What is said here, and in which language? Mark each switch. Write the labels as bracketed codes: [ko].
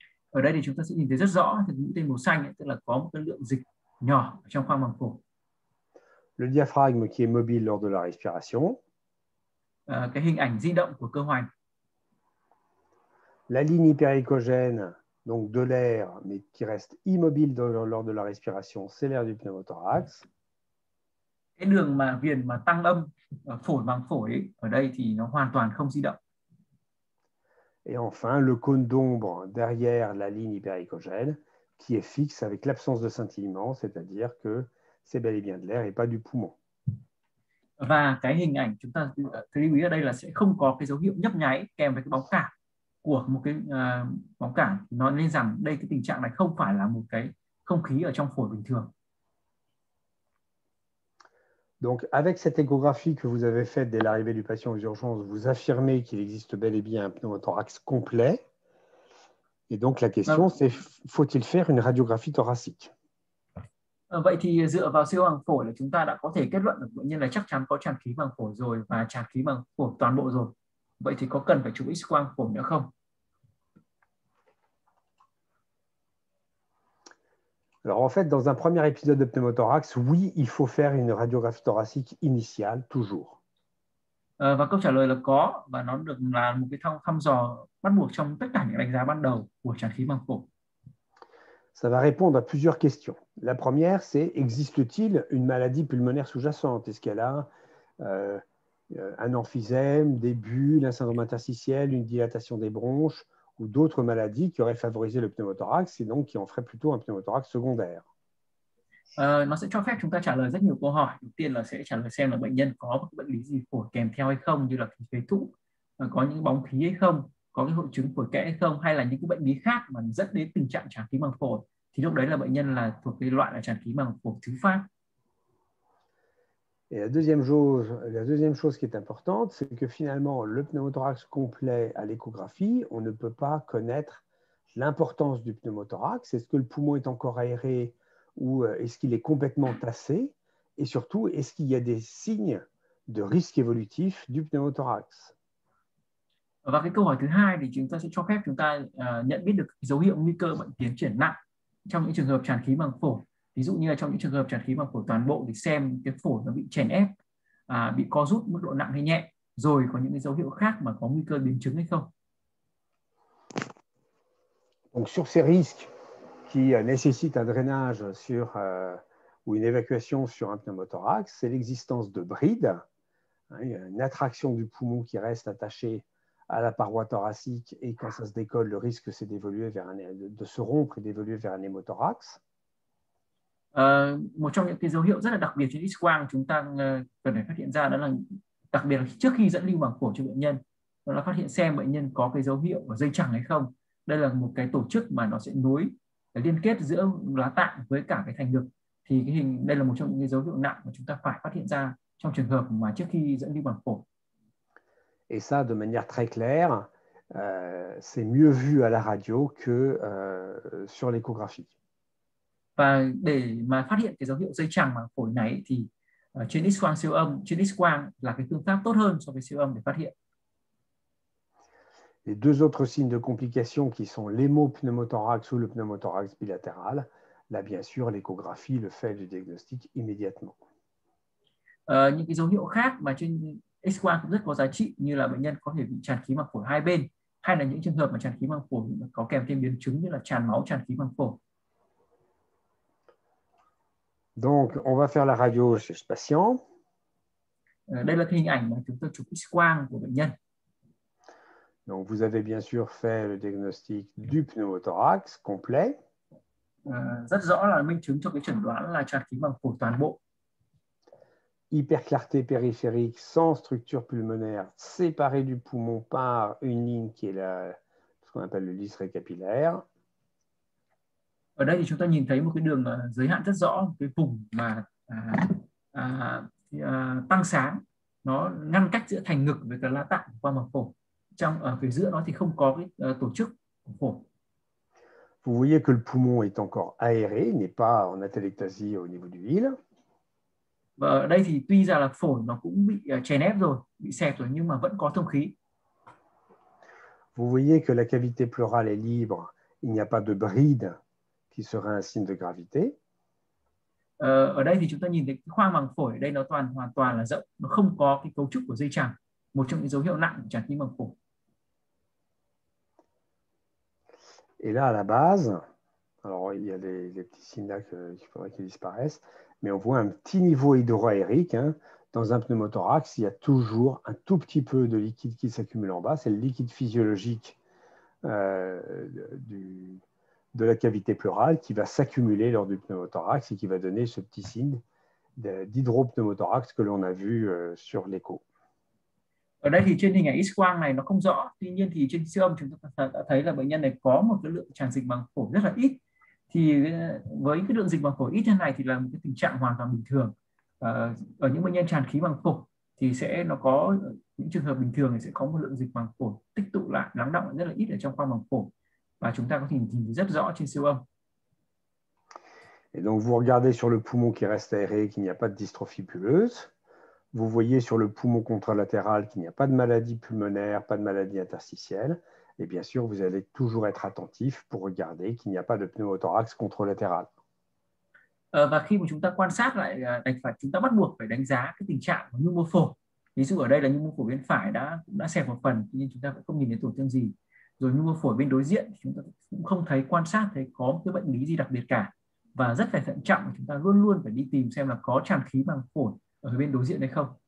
[vi] Ở đây thì chúng ta sẽ nhìn thấy rất rõ những tia màu xanh ấy, tức là có một cái lượng dịch nhỏ trong khoang màng phổi. [fr] Le diaphragme qui est mobile lors de la respiration. [vi] Cái hình ảnh di động của cơ hoành. [fr] La ligne hypercochène, donc de l'air, mais qui reste immobile lors de la respiration, c'est l'air du pneumothorax. [vi] Cái đường mà viền mà tăng âm phổi bằng phổi ấy, ở đây thì nó hoàn toàn không di động. [fr] Et enfin, le cône d'ombre derrière la ligne hypercochène, qui est fixe avec l'absence de scintillement, c'est-à-dire que c'est bel et bien de l'air et pas du poumon. [vi] Và cái hình ảnh chúng ta lưu ý ở đây là sẽ không có cái dấu hiệu nhấp nháy kèm với cái bóng cảm của một cái bóng cảm, nói lên rằng đây cái tình trạng này không phải là một cái không khí ở trong phổi bình thường. [fr] Donc, avec cette échographie que vous avez faite dès l'arrivée du patient aux urgences, vous affirmez qu'il existe bel et bien un pneumothorax complet. Et donc, la question, c'est faut-il faire une radiographie thoracique? [vi] Vậy thì dựa vào siêu âm phổi là chúng ta đã có thể kết luận được bệnh nhân là chắc chắn có tràn khí màng phổi rồi và tràn khí màng phổi toàn bộ rồi. Vậy thì có cần phải chụp X-quang phổi nữa không? [fr] Alors en fait, dans un premier épisode de pneumothorax, oui, il faut faire une radiographie thoracique initiale, toujours. [vi] Và câu trả lời là có và nó được là một cái thăm dò bắt buộc trong tất cả những đánh giá ban đầu của tràn khí màng phổi. [fr] Ça va répondre à plusieurs questions. La première, c'est existe-t-il une maladie pulmonaire sous-jacente? Est-ce qu'elle a un emphysème, des bulles, un syndrome interstitiel, une dilatation des bronches? Ou d'autres maladies qui auraient favorisé le pneumothorax et donc qui en feraient plutôt un pneumothorax secondaire. [vi] Nó sẽ cho phép chúng ta trả lời rất nhiều câu hỏi. Đầu tiên là sẽ trả lời xem là bệnh nhân có bệnh lý gì phổi kèm theo hay không, như là khí phế thủ, có những bóng khí hay không, có cái hội chứng phổi kẽ hay không, hay là những cái bệnh lý khác mà dẫn đến tình trạng tràn khí màng phổi. Thì lúc đấy là bệnh nhân là thuộc cái loại là tràn khí màng phổi thứ phát. [fr] Et la deuxième chose qui est importante, c'est que finalement, le pneumothorax complet à l'échographie, on ne peut pas connaître l'importance du pneumothorax. Est-ce que le poumon est encore aéré ou est-ce qu'il est complètement tassé? Et surtout, est-ce qu'il y a des signes de risque évolutif du pneumothorax? [vi] Và cái câu hỏi thứ hai thì chúng ta sẽ cho phép chúng ta nhận biết được dấu hiệu nguy cơ bệnh tiến triển nặng trong những trường hợp tràn khí màng phổi. Ví dụ như là trong những trường hợp tràn khí màng phổi toàn bộ thì xem cái phổi nó bị chèn ép, bị co rút mức độ nặng hay nhẹ, rồi có những cái dấu hiệu khác mà có nguy cơ biến chứng hay không. [fr] Donc sur ces risques qui nécessitent un drainage ou une évacuation sur un pneumothorax, c'est l'existence de brides, une attraction du poumon qui reste attachée à la paroi thoracique et quand ça se décolle, le risque c'est d'évoluer vers de se rompre et d'évoluer vers un hémothorax. [vi] Một trong những cái dấu hiệu rất là đặc biệt trên X-quang chúng ta cần phải phát hiện ra đó là đặc biệt là trước khi dẫn lưu màng phổi cho bệnh nhân, đó là phát hiện xem bệnh nhân có cái dấu hiệu ở dây chằng hay không. Đây là một cái tổ chức mà nó sẽ nối liên kết giữa lá tạng với cả cái thành ngực, thì cái hình đây là một trong những cái dấu hiệu nặng mà chúng ta phải phát hiện ra trong trường hợp mà trước khi dẫn lưu màng phổi. [fr] Et ça, de manière très claire, c'est mieux vu à la radio que sur l'échographie. [vi] Và để mà phát hiện cái dấu hiệu dây chằng màng phổi này thì trên X-quang siêu âm, trên X-quang là cái phương pháp tốt hơn so với siêu âm để phát hiện. [fr] Les deux autres signes de complication qui sont l'hémopneumothorax ou le pneumothorax bilatéral, là bien sûr l'échographie le fait du diagnostic immédiatement. [vi] Những cái dấu hiệu khác mà trên X-quang cũng rất có giá trị như là bệnh nhân có thể bị tràn khí màng phổi hai bên, hay là những trường hợp mà tràn khí màng phổi có kèm thêm biến chứng như là tràn máu, tràn khí màng phổi. [fr] Donc, on va faire la radio chez ce patient. [vi] Đây là cái hình ảnh mà chúng tôi chụp X-quang của bệnh nhân. [fr] Donc, vous avez bien sûr fait le diagnostic du pneumothorax complet. [vi] Rất rõ là minh chứng cho cái chẩn đoán là tràn khí màng phổi toàn bộ. [fr] Hyperclarté périphérique sans structure pulmonaire séparée du poumon par une ligne qui est ce qu'on appelle le lys capillaire. [vi] Ở đây thì chúng ta nhìn thấy một cái đường giới hạn rất rõ, cái vùng mà tăng sáng nó ngăn cách giữa thành ngực với cái lá tạng qua màng phổi, trong ở phía giữa nó thì không có cái tổ chức phổi. [fr] Vous voyez que le poumon est encore aéré, n'est pas en atélectasie au niveau du hile. [vi] Và ở đây thì tuy ra là phổi nó cũng bị chèn ép rồi, bị xẹp rồi nhưng mà vẫn có thông khí. [fr] Vous voyez que la cavité pleurale est libre, il n'y a pas de bride qui serait un signe de gravité. [vi] Ở đây thì chúng ta nhìn thấy khoang màng phổi ở đây nó hoàn toàn là rộng, nó không có cái cấu trúc của dây chằng, một trong những dấu hiệu nặng của tràn khí màng phổi. [fr] Et là, à la base, alors il y a les petits signes là qu'il faudrait qu'ils disparaissent, mais on voit un petit niveau hydroaérique. Hein. Dans un pneumothorax, il y a toujours un tout petit peu de liquide qui s'accumule en bas. C'est le liquide physiologique de la cavité pleurale qui va s'accumuler lors du pneumothorax et qui va donner ce petit signe d'hydropneumothorax que l'on a vu sur l'écho. [vi] Ở đây thì trên hình ảnh X-quang này nó không rõ, tuy nhiên thì trên siêu âm chúng ta đã thấy là bệnh nhân này có một cái lượng tràn dịch màng phổi rất là ít. Thì với cái lượng dịch màng phổi ít như này thì là một cái tình trạng hoàn toàn bình thường. Ở những bệnh nhân tràn khí màng phổi thì sẽ nó có những trường hợp bình thường thì sẽ có một lượng dịch màng phổi tích tụ lại lắng đọng rất là ít ở trong khoang màng phổi và chúng ta có thể nhìn rất rõ trên siêu âm. [fr] Et donc vous regardez sur le poumon qui reste aéré, qu'il n'y a pas de dystrophie bulleuse. Vous voyez sur le poumon contralatéral qu'il n'y a pas de maladie pulmonaire, pas de maladie interstitielle. Et bien sûr, vous allez toujours être attentif pour regarder qu'il n'y a pas de pneumothorax contralatéral. [vi] Và khi mà chúng ta quan sát lại đánh phải chúng ta bắt buộc phải đánh giá cái tình trạng của nhu mô phổi. Ví dụ ở đây là nhu mô phổi bên phải đã cũng đã xẹp một phần nhưng chúng ta cũng không nhìn thấy tổn thương gì. Rồi nhu mô phổi bên đối diện chúng ta cũng không thấy quan sát thấy có một cái bệnh lý gì đặc biệt cả. Và rất phải thận trọng chúng ta luôn luôn phải đi tìm xem là có tràn khí màng phổi ở bên đối diện hay không.